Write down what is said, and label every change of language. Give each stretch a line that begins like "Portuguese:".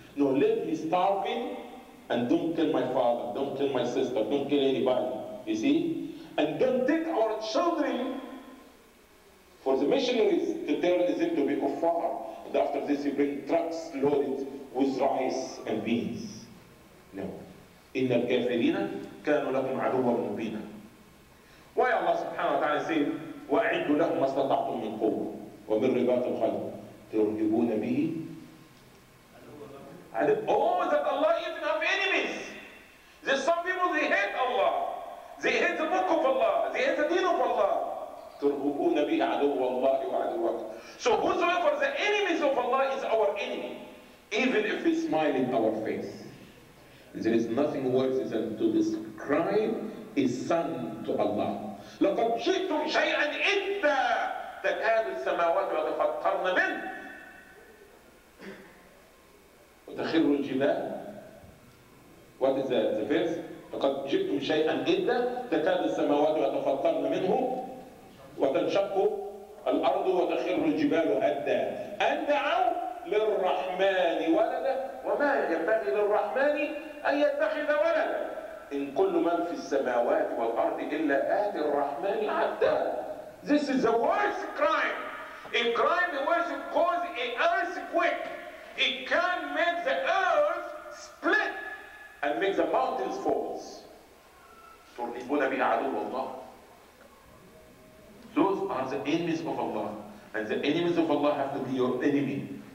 English: No, let me starve him and don't kill my father, don't kill my sister, don't kill anybody. You see? And don't take our children for the missionaries to tell them to be kuffar. And after this, you bring trucks loaded with rice and beans. No.
Arabic: إِنَّ الْكَافِرِينَ كَانُوا لَكُمْ عَدُوًا مُبِينًا.
English: Why Allah subhanahu wa ta'ala said,
Arabic: وَأَعِدُّ لَهُمْ مَا اسْتَطَعْتُمْ مِنْ قُوَّةٍ وَمِنْ رِبَاطِ الْخَيْلِ تُرْهِبُونَ بِهِ عَدُوًّا.
English: Oh, that Allah even have enemies. There's some people, they hate Allah. They hate the book of Allah. They hate the deen of Allah.
Arabic: تُرْهِبُونَ بِهِ عَدُوَّ اللَّهِ وَعَدُوَّكُمْ.
English: So whosoever the enemies of Allah is our enemy, even if he's smiling our face. There is nothing worse than to describe his son to Allah.
Arabic: لَقَدْ شِئْتُمْ شَيْئًا إِدَّا تَكَادُ السَّمَاوَاتِ وَتَفَطَّرْنَ مِنْ وَتَخِرُّ الْجِبَالِ.
English: What is that, the verse?
Arabic: لَقَدْ شِئْتُمْ شَيْئًا إِدَّا تَكَادُ السَّمَاوَاتِ وَتَفَطَّرْنَ مِنْهُ وَتَنْشَقُّ الْأَرْضُ وَتَخِرُّ الْجِبَالُ أَدَّا أَنْ دَعَوْا لِلرَّحْمَنِ وَلَدًا وَمَا يَنْبَغِي لِلرَّحْمَنِ أن يتخذ ولدا إن كل من في السماوات والأرض إلا آت الرحمن عبدا.
English: This is the worst crime. A crime was cause an earthquake. It can make the earth split and make the mountains fall.
Arabic: تُرْهِبُونَ بِعَدُوِّ اللَّهِ.
English: Those are the enemies of Allah. And the enemies of Allah have to be your enemy.